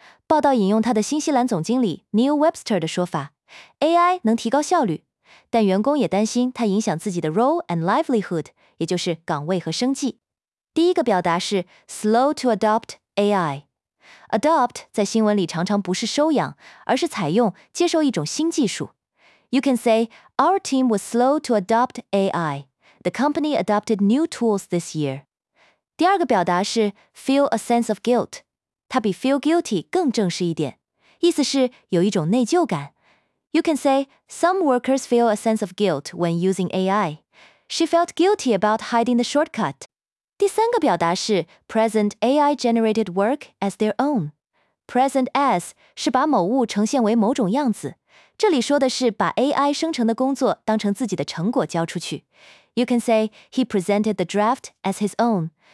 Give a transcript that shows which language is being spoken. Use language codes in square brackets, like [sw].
[zh] 报道引用他的新西兰总经理 Neil Webster 的说法， AI 能提高效率，但员工也担心它影响自己的 [en] role and livelihood， [zh] 也就是岗位和生计。第一个表达是 [en] slow to adopt AI。 [zh] Adopt 在新闻里常常不是收养，而是采用、接受一种新技术。 [en] You can say, our team was slow to adopt AI. The company adopted new tools this year. [zh] 第二个表达是 [en] feel a sense of guilt. [zh] 它比 [en] feel guilty [zh] 更正式一点，意思是有一种内疚感。 [en] You can say, some workers feel a sense of guilt when using AI. She felt guilty about hiding the shortcut. [zh] 第三个表达是 [en] present AI-generated work as their own. [zh] Present as 是把某物呈现为某种样子。这里说的是把 AI 生成的工作当成自己的成果交出去。 [en] You can say he presented the draft as his own.